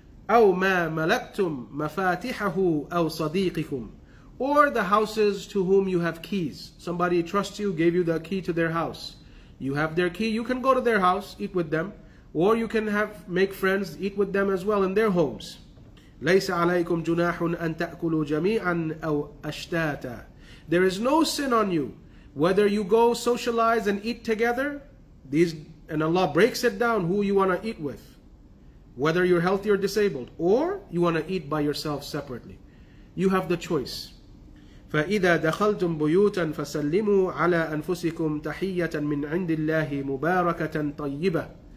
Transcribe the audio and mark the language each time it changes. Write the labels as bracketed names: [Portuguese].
[Arabic] أو ما ملكتم مفاتيحه أو صديقكم, [English] or the houses to whom you have keys. Somebody trusts you, gave you the key to their house. You have their key, you can go to their house, eat with them, or you can make friends, eat with them as well in their homes. [Arabic] ليس عليكم جناح أن تأكلوا جميعا أو أشتاتا. [English] There is no sin on you whether you go socialize and eat together. And Allah breaks it down who you want to eat with, whether you're healthy or disabled, or you want to eat by yourself separately. You have the choice. [Arabic] فَإِذَا دَخَلْتُمْ بُيُوتًا فَسَلِّمُوا عَلَىٰ أَنفُسِكُمْ تَحِيَّةً مِنْ عِنْدِ اللَّهِ مُبَارَكَةً طَيِّبَةً.